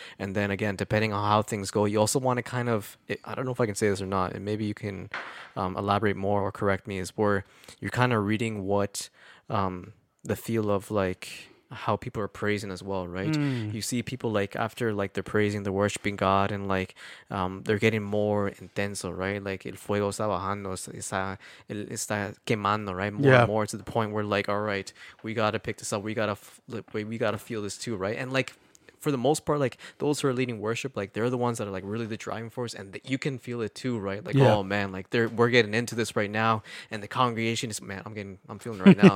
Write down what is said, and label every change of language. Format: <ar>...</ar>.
<en>And then again, depending on how things go, you also want to kind of, I don't know if I can say this or not, and maybe you can elaborate more or correct me, is where you're kind of reading what the feel of like how people are praising as well, right? Mm. You see people like after like they're praising, they're worshiping God, and like they're getting more intenso, right?</en> <es>Like el fuego está bajando, está quemando, right?</es> <en>More and more, to the point where like, all right, we gotta pick this up, we gotta feel this too, right? And like for the most part, like those who are leading worship, like they're the ones that are like really the driving force, and that you can feel it too, right? Like, yeah. Oh man, like we're getting into this right now, and the congregation is, man, I'm feeling it right now.</en>